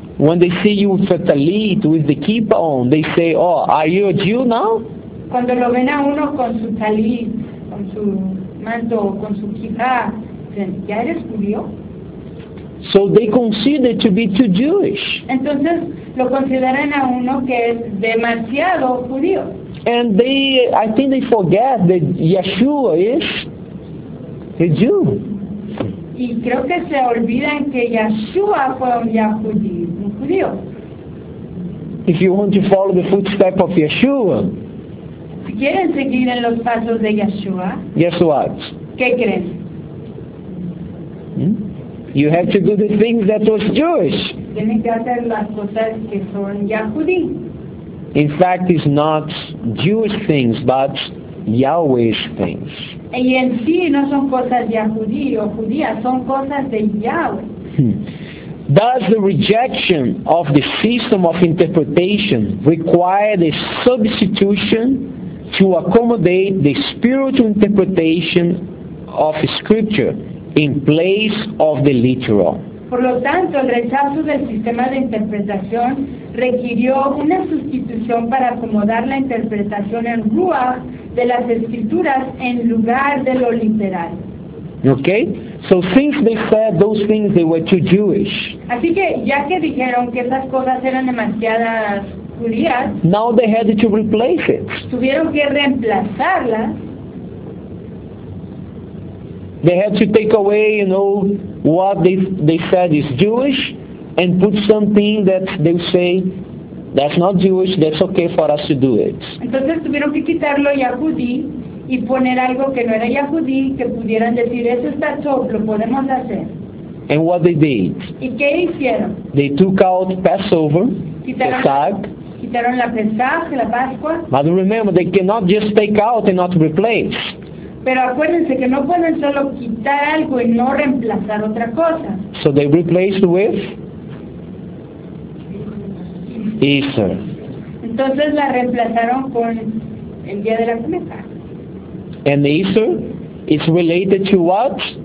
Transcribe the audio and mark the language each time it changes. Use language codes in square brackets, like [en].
[en] When they see you with a talit, with the kippah on, they say, oh, are you a Jew now? [es] Cuando lo ven a uno con su talit, con su manto, con su kippah, dicen, ¿ya eres judío? [en] So they consider to be too Jewish. [es] Entonces lo consideran a uno que es demasiado judío. [en] And they, I think they forget that Yeshua is a Jew. [es] Y creo que se olvidan que Yeshua fue un judío. [en] If you want to follow the footsteps of Yeshua, [es] si quieren seguir en los pasos de Yeshua, [en] guess what? [es] ¿Qué creen? [en] You have to do the things that was Jewish. [es] Tienen que hacer las cosas que son yahudí. [en] In fact, it's not Jewish things, but Yahweh's things. [es] Y en sí no son cosas yahudí o judías, son cosas de Yahweh. [en] Does the rejection of the system of interpretation require the substitution to accommodate the spiritual interpretation of Scripture in place of the literal? [es] Por lo tanto, el rechazo del sistema de interpretación requirió una sustitución para acomodar la interpretación en Ruach de las Escrituras en lugar de lo literal. [en] Okay? So since they said those things, they were too Jewish. [es] Así que ya que dijeron que esas cosas eran demasiadas judías, [en] now they had to replace it. [es] Tuvieron que reemplazarlas. [en] They had to take away, you know, what they said is Jewish and put something that they say that's not Jewish, that's okay for us to do it. [es] Entonces tuvieron que quitar lo yahudí y poner algo que no era ya judí, que pudieran decir, eso está choc, lo podemos hacer. [en] And what they did? [es] ¿Y qué hicieron? [en] They took out Passover, [es] quitaron la Pesach, la Pascua. [en] But remember, they cannot just take out and not replace. [es] Pero acuérdense que no pueden solo quitar algo y no reemplazar otra cosa. [en] So they replaced with Easter. [es] Entonces la reemplazaron con el día de la comida. [en] And Easter is related to what?